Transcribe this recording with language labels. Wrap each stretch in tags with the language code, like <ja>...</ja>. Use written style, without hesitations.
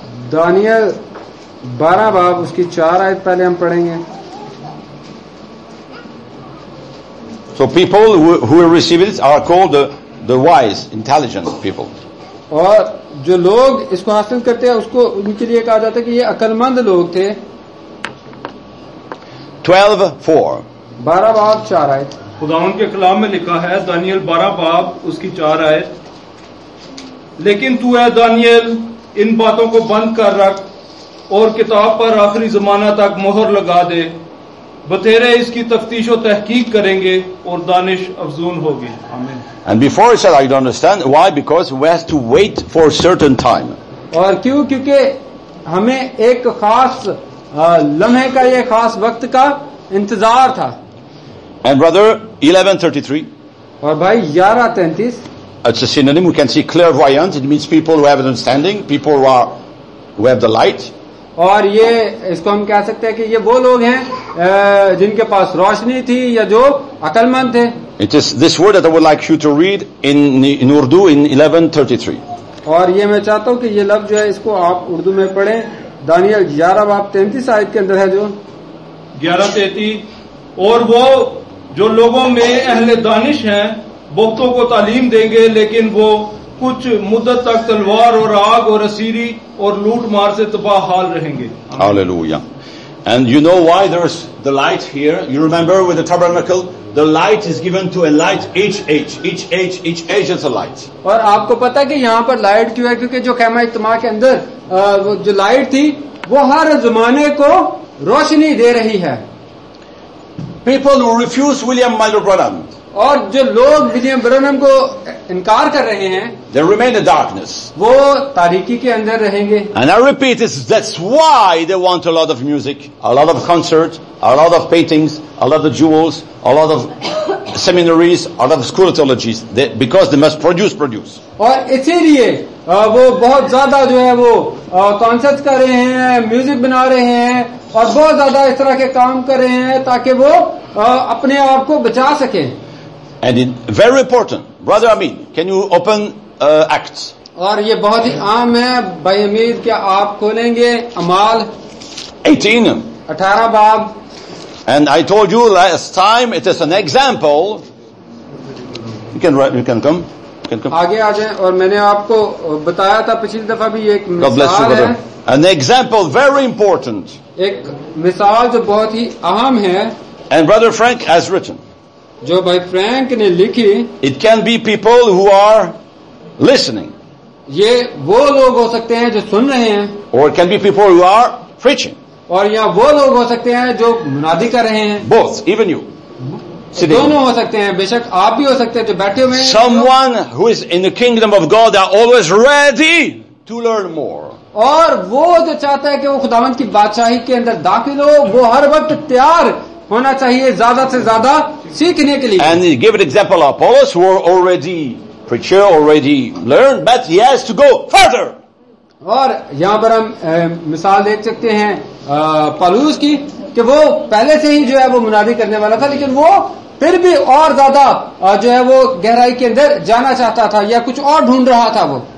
<ur>Daniel 12 باب اس کی چار آیت پہلے ہم پڑھیں گے</ur> <en>so people who receive it are called the wise intelligent people</en> <ur>اور جو لوگ اس کو حاصل کرتے ہیں اس کو ان کے لیے کہا جاتا ہے کہ یہ عقل مند لوگ تھے 12:4 12 باب چار آیت خداوند کے کلام میں لکھا ہے دانیل 12 باب اس کی چار آیت لیکن تو اے دانیل ان باتوں کو بند کر رکھ اور کتاب پر آخری زمانہ تک مہر لگا دے بتھیرے اس کی تفتیش و تحقیق کریں گے اور دانش افزون ہوگی</ur> <en>and before he said I don't understand why because we have to wait for a certain time</en> <ur>اور کیوں کیونکہ ہمیں ایک خاص لمحے کا یہ خاص وقت کا انتظار تھا</ur> <en>and brother 11:33</en> <ur>اور بھائی 11:33</ur> <en>it's a synonym we can see clairvoyant it means people who have understanding people who have the light</en> <ur>اور یہ اس کو ہم کہہ سکتے ہیں کہ یہ وہ لوگ ہیں جن کے پاس روشنی تھی یا جو عقل مند تھے</ur> <en>it is this word that I would like you to read in Urdu in 11:33</en> <ur>اور یہ میں چاہتا ہوں کہ یہ لفظ جو ہے اس کو آپ اردو میں پڑھیں دانیل 11:33 آیت کے اندر ہے جو 11:33 اور وہ جو لوگوں میں اہل دانش ہیں بختوں کو تعلیم دیں گے لیکن وہ کچھ مدت تک تلوار اور آگ اور اسیری اور لوٹ مار سے تباہ حال رہیں گے</ur> <en>Hallelujah. And you know why there's the light here? You remember with the tabernacle, the light is given to a light each age is a light.</en> <ur>اور آپ کو پتا کہ یہاں پر لائٹ کیوں ہے کیونکہ جو خیمہ اجتماع کے اندر جو لائٹ تھی وہ ہر زمانے کو روشنی دے رہی ہے</ur> <en>People who refuse William Miller Branham</en> <ur>اور جو لوگ ولیم برنم کو انکار کر رہے ہیں</ur> <en>they remain in darkness</en> <ur>وہ تاریکی کے اندر رہیں گے</ur> <en>and I repeat this that's why they want a lot of music a lot of concerts a lot of paintings a lot of jewels a lot of seminaries a lot of school theologies because they must produce</en> <ur>اور اسی لیے وہ بہت زیادہ جو ہے وہ concert کر رہے ہیں میوزک بنا رہے ہیں اور بہت زیادہ اس طرح کے کام کر رہے ہیں تاکہ وہ اپنے آپ کو بچا سکیں</ur> <en>And it's very important. Brother Amin, can you open Acts?</en> <ur>اور یہ بہت ہی عام ہے بھائی امید کیا آپ کھولیں گے امال 18 اٹھارہ باب</ur> <en>And I told you last time it is an example. You can come.</en> <ur>آگے آ جائیں اور میں نے آپ کو بتایا تھا پچھلی دفعہ بھی ایک مثال</ur> <en>God bless you, brother. An example, very important.</en> <ur>ایک مثال جو بہت ہی اہم ہے</ur> <en>And Brother Frank has written.</en> <ur>جو بھائی فرینک نے لکھی</ur> <en>it can be people who are listening</en> <ur>یہ وہ لوگ ہو سکتے ہیں جو سن رہے ہیں</ur> <en>اور can be people who are preaching</en> <ur>اور یا وہ لوگ ہو سکتے ہیں جو منادی کر رہے ہیں</ur> <en>both even you</en> <ur>دونوں ہو سکتے ہیں بے شک آپ بھی ہو سکتے ہیں جو بیٹھے ہوئے ہیں</ur> <en>someone who is in the kingdom of God are always ready to learn more</en> <ur>اور وہ جو چاہتا ہے کہ وہ خداوند کی بادشاہی کے اندر داخل ہو وہ ہر وقت تیار ہونا چاہیے زیادہ سے زیادہ سیکھنے کے لیے</ur> <en>and give an example Apollos who already preacher already learn but he has to go further</en> <ur>اور یہاں پر ہم مثال دیکھ سکتے ہیں پالوس کی کہ وہ پہلے سے ہی جو ہے وہ منادی کرنے والا تھا لیکن وہ پھر بھی اور زیادہ جو ہے وہ گہرائی کے اندر جانا چاہتا تھا یا کچھ اور ڈھونڈ رہا تھا وہ</ur>